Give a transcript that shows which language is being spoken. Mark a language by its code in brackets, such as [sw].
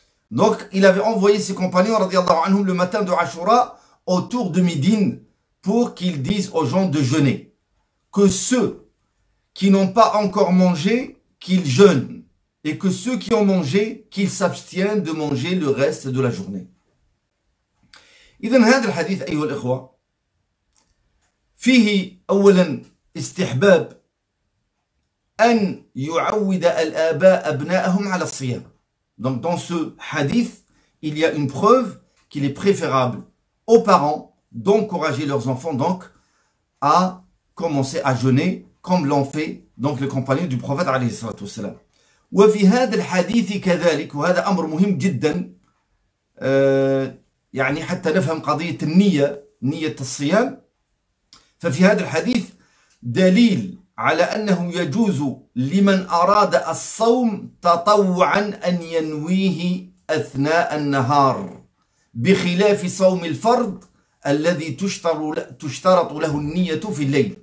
[fr] Donc, il avait envoyé ses compagnons, [ar] radiyallahu anhum, [fr] le matin de Ashura, autour de Médine, pour qu'ils disent aux gens de jeûner. Que ceux qui n'ont pas encore mangé, qu'ils jeûnent. Et que ceux qui ont mangé, qu'ils s'abstiennent de manger le reste de la journée. [ar] Idem, hadith, ayyuhal ikhwa, fihi استحباب أن يعود الآباء أبناءهم على الصيام. [fr] Donc dans ce hadith, il y a une preuve qu'il est préférable aux parents d'encourager leurs enfants donc à commencer à jeûner comme l'ont fait donc les compagnons du prophète [ar] عليه الصلاة والسلام. وفي هذا الحديث كذلك وهذا أمر مهم جدا يعني حتى نفهم قضية النية نية الصيام. ففي هذا الحديث دليل على أنه يجوز لمن أراد الصوم تطوعا أن ينويه أثناء النهار بخلاف صوم الفرض الذي تشترط له النية في الليل.